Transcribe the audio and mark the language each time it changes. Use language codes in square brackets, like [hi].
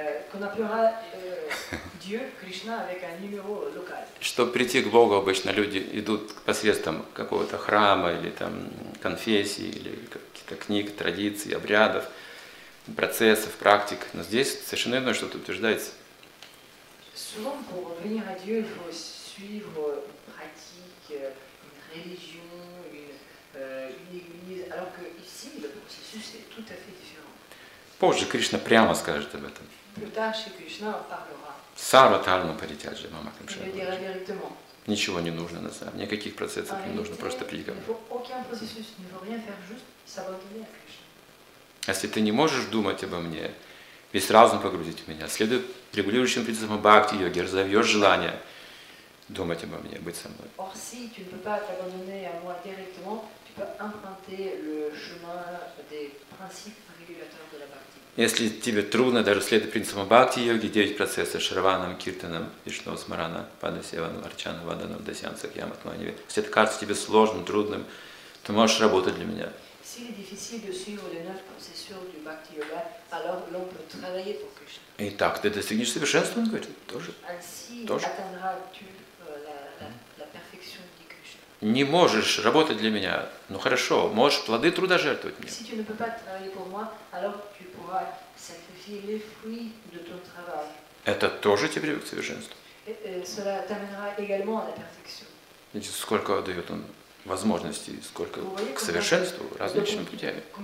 [fr] qu'on appellera Dieu Krishna avec un numéro local. [ru] Чтобы прийти к Богу, обычно люди идут посредством какого-то храма или там конфессии или каких-то книг, традиций, обрядов, процессов, практик. Но здесь совершенно иное что-то утверждается. [fr] Souvent pour venir à Dieu, il faut suivre une pratique, une religion, une église. Alors que ici, le processus est tout à fait différent. [ru] Позже Кришна прямо скажет об этом. [fr] Plus tard, Shri Krishna parlera. [sa] Sarva dharma paritya mama kamsha. [fr] Il le dira directement. [ru] Ничего не нужно на самом деле, никаких процессов не нужно, просто прийти ко мне. [fr] Il ne faut aucun processus, il ne faut rien faire, juste s'abandonner à Krishna. [ru] Если ты не можешь думать обо мне. Весь разум погрузить в меня. Следует регулирующим принципам бхакти-йоги, разовьешь желание думать обо мне, быть со мной. [fr] Or, si tu ne peux pas t'abandonner à moi directement, tu peux emprunter le chemin des principes régulateurs de la бхакти. [ru] Если тебе трудно даже следовать принципам бхакти-йоги, 9 процессов, шраванам, киртанам, вишну, смарана, падна, севану, арчану, вадану, дасян, сакьям, атмане, если это кажется тебе сложным, трудным, ты можешь работать для меня. [fr] S'il est difficile de suivre les 9 processus du Bhakti Yoga, alors l'on peut travailler pour Krishna. Et [ru] так, ты достигнешь совершенства, он говорит, тоже. [fr] Ainsi, [ru] тоже. [fr] Atteindras-tu la perfection de Krishna. [ru] Не можешь работать для меня, ну хорошо, можешь плоды труда жертвовать мне. [fr] Si tu ne peux pas travailler pour moi, alors tu pourras sacrifier les fruits de ton travail. [ru] Это тоже тебе приведет к совершенству. [fr] Cela t'amènera également à la perfection. [ru] Видите, сколько дает он? Возможностей, сколько [fr] voyez, [ru] к совершенству, различными путями.